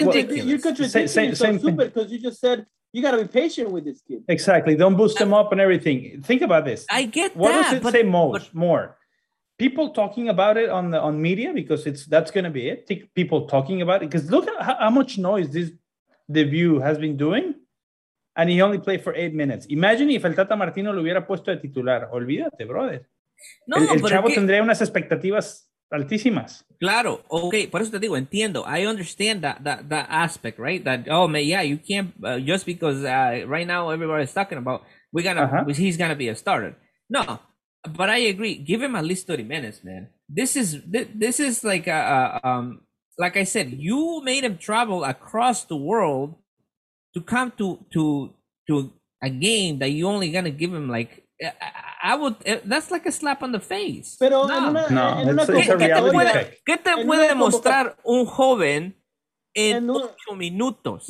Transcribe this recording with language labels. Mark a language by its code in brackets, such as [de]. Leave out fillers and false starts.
[en] You're contradicting yourself, because you just said you got to be patient with this kid. Exactly. Don't boost him up and everything. Think about this. I get what that. What does it say most? More? People talking about it on media, because that's going to be it. People talking about it. Because look at how much noise this debut has been doing. And he only played for 8 minutes. Imagine if [es] el Tata Martino lo hubiera puesto de titular. Olvídate, brother. No, tendría unas expectativas altísimas. Claro. [en] Okay. [es] Por eso te digo, entiendo. [en] I understand that aspect, right? That, oh, man, yeah, you can't, just because right now everybody's talking about, he's going to be a starter. No, but I agree. Give him at least 30 minutes, man. This is like, like I said, you made him travel across the world to come to a game that you only going to give him, like, I would, that's like a slap on the face. [es] Pero no, ¿qué te puede demostrar un joven en 8 minutos?